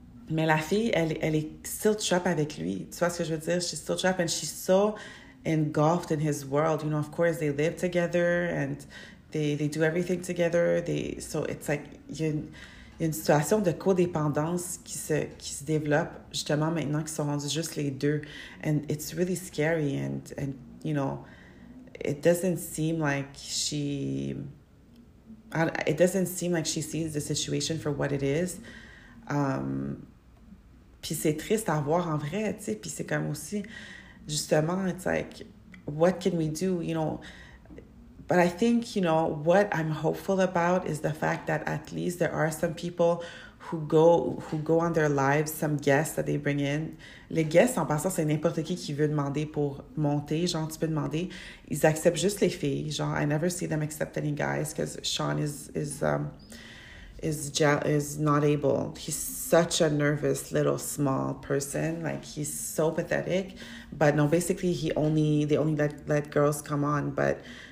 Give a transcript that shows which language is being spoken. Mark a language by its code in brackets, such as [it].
[fr] Mais la fille, elle est [en] still trapped [fr] avec lui. Tu vois ce que je veux dire? [en] She's still trapped and she's so engulfed in his world. You know, of course they live together and they do everything together. So it's like, you [fr] une situation de codépendance qui se développe justement maintenant qu'ils sont rendus juste les deux. [en] And it's really scary and you know, it doesn't seem like she sees the situation for what it is. [fr] Puis c'est triste à voir en vrai, tu sais. Puis c'est comme aussi, justement, [en] it's like, what can we do, you know? But I think, you know, what I'm hopeful about is the fact that at least there are some people who go on their lives, some guests that they bring in. [fr] Les guests, en passant, c'est n'importe qui veut demander pour monter. Genre, tu peux demander. Ils acceptent juste les filles. [en] Genre, I never see them accept any guys because Sean is not able. He's such a nervous little small person. Like, he's so pathetic. But no, basically, they only let girls come on. But...